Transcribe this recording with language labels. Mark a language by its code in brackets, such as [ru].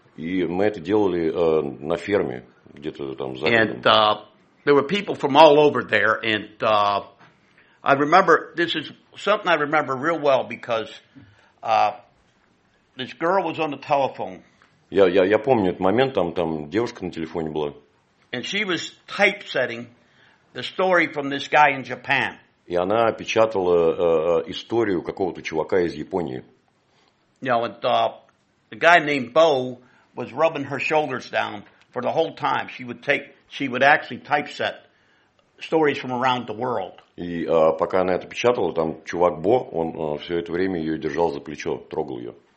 [ru] И мы это делали на ферме где-то там за. [en] And there were people from all over there, and I remember this is something I remember real well because this girl was on the telephone. [ru] Я помню этот момент, там девушка на телефоне была. [en] And she was typesetting the story from this guy in Japan. [ru] И она печатала историю какого-то чувака из Японии. [en] You know, the guy named Bo was rubbing her shoulders down for the whole time. She would actually typeset stories from around the world. [ru] И пока она это печатала, там чувак Бо, он все это время ее держал за плечо, трогал ее.